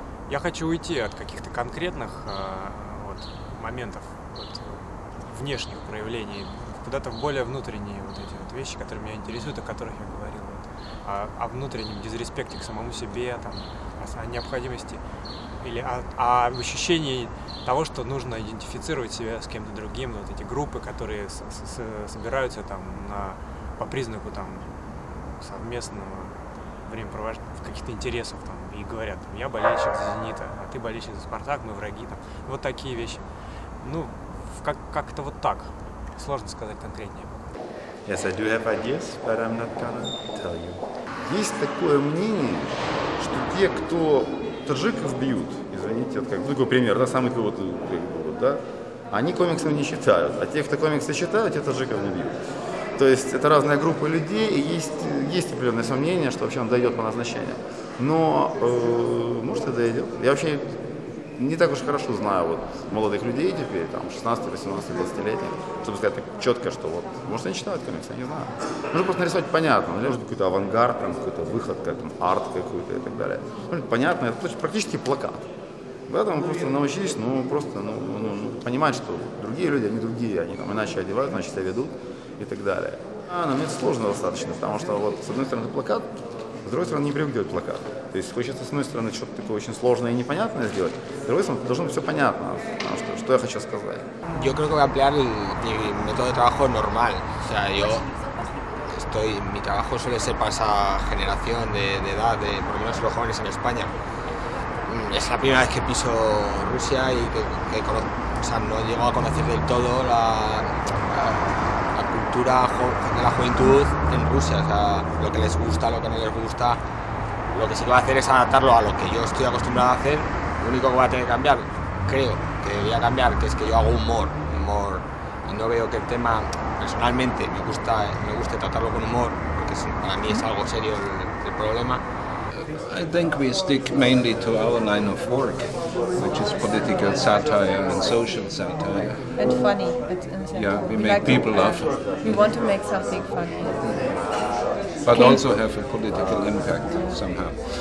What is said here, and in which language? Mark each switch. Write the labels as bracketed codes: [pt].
[ru] Я хочу уйти от каких-то конкретных вот, моментов, вот, внешних проявлений, куда-то в более внутренние вот эти вот вещи, которые меня интересуют, о которых я говорил, вот, о внутреннем дисреспекте к самому себе, там, о необходимости или о ощущении того, что нужно идентифицировать себя с кем-то другим, вот эти группы, которые собираются там на, по признаку там совместного времяпровождения, каких-то интересов там, и говорят, я болельщик за «Зенита», а ты болельщик за «Спартак», мы враги, там, вот такие вещи. Ну, как-то вот так, сложно сказать конкретнее. [en] Yes, I do have ideas, but I'm not gonna tell you. [ru] Есть такое мнение, что те, кто таджиков бьют, извините, вот как такой пример, да, самый вот, да, они комиксы не читают, а те, кто комиксы читают, те таджиков не бьют. То есть это разная группа людей, и есть определенное сомнение, что вообще он дойдет по назначению. Но, может, и дойдет. Я вообще не так уж хорошо знаю вот молодых людей теперь, там, 16, 18, 20-летних, чтобы сказать так четко, что вот, может, они читают комиксы, я не знаю. Нужно просто нарисовать понятно, может, какой-то авангард, там, какой-то выход, там, арт какой-то и так далее. Может, понятно, это практически плакат. Поэтому просто научились, понимать, что другие люди, они другие, они там иначе одевают, иначе себя ведут и так далее. А, но мне это сложно достаточно, потому что вот с одной стороны плакат, с другой стороны не привык делать плакат. То есть хочется с одной стороны что-то такое очень сложное и непонятное сделать, с другой стороны должно быть все понятно, потому что что я хочу сказать. Я думаю, что говорить мой метод работы нормально. То есть я [es] estoy, mi trabajo suele ser para esa generación de edad, de por lo menos los jóvenes en España. Es la primera vez que piso Rusia y que no llego a conocer del todo la cultura de la juventud en Rusia, o sea, lo que les gusta, lo que no les gusta. Lo que sí que voy a hacer es adaptarlo a lo que yo estoy acostumbrado a hacer. Lo único que voy a tener que cambiar, creo que debería cambiar, que es que yo hago humor y no veo que el tema, personalmente, me guste tratarlo con humor, porque para mí es algo serio el problema. [en] I think we stick mainly to our line of work, which is political satire and social satire. And funny. But yeah, we make like people laugh. We want to make something funny. But also have a political impact somehow.